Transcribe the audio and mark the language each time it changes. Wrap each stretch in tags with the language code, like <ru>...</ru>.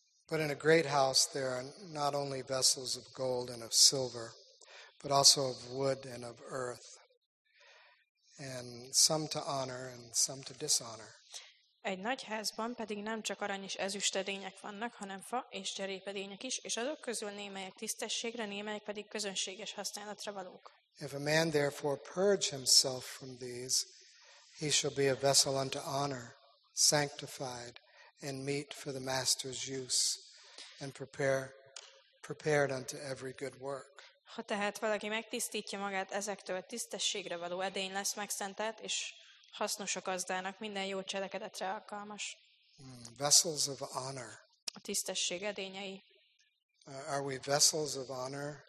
<en>But in a great house there are not only vessels of gold and of silver, but also of wood and of earth, and some to honor and some to dishonor.</en> <hu>Egy nagy házban pedig nem csak arany és ezüst edények vannak, hanem fa és cserépedények is, és azok közül némelyek tisztességre, némelyek pedig közönséges használatra valók.</hu> <en>If a man therefore purge himself from these, he shall be a vessel unto honor, sanctified, and meet for the master's use, and prepared unto every good work.</en> <hu>Ha tehát valaki megtisztítja magát ezektől, tisztességre való edény lesz megszentelt, és hasznos a gazdának, minden jó cselekedetre alkalmas.</hu> <en>Vessels of honor.</en> <hu>A tisztesség edényei.</hu> <en>Are we vessels of honor?</en>